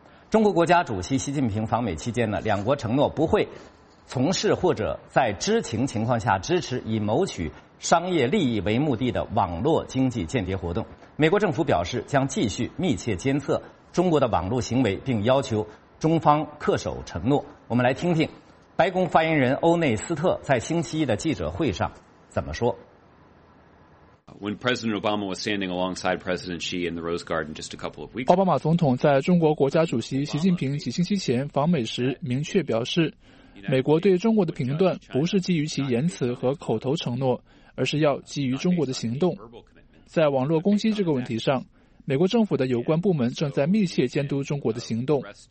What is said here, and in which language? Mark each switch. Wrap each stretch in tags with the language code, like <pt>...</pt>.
<zh>中国国家主席习近平访美期间呢，两国承诺不会从事或者在知情情况下支持以谋取商业利益为目的的网络经济间谍活动。美国政府表示将继续密切监测中国的网络行为，并要求中方恪守承诺。我们来听听白宫发言人欧内斯特在星期一的记者会上怎么说。</zh> <en>When President Obama was standing alongside President Xi in the Rose Garden just a couple of weeks,</en> <zh>奥巴马总统在中国国家主席习近平几星期前访美时明确表示，美国对中国的评断不是基于其言辞和口头承诺，而是要基于中国的行动。在网络攻击这个问题上，美国政府的有关部门正在密切监督中国的行动。</zh>